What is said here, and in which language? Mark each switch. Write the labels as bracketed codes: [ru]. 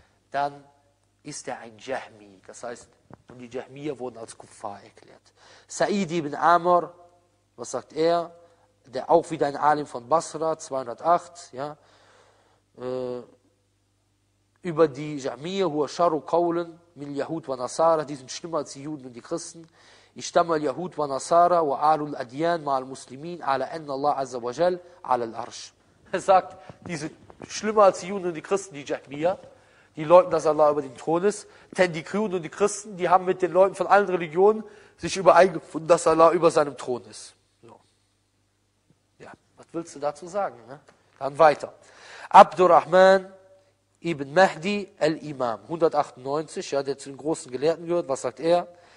[de] Dann ist er ein Jahmi. Das heißt, und die Jahmiya wurden als Kuffar erklärt. Sa'id ibn Amr, was sagt er? Der auch wieder ein Alim von Basra, 208. Ja? Über die Jahmiya, [ar] huwa sharru qawlan min Yahud wa Nasara, [de] die sind schlimmer als die Juden und die Christen. [ar] اجتمع اليهود والنصارى وآل الأديان مع المسلمين على أن الله عز وجل على الأرش. [de] Er sagt, die sind schlimmer als die Juden und die Christen, die Jahmiya, die leugnen, dass Allah über den Thron ist. Denn die Juden und die Christen, die haben mit den Leuten von allen Religionen sich übereingefunden, dass Allah über seinem Thron ist. So. Ja, was willst du dazu sagen? Ne? Dann weiter. Abdurrahman ibn Mahdi al-Imam, 198, ja, der zu den großen Gelehrten gehört, was sagt er?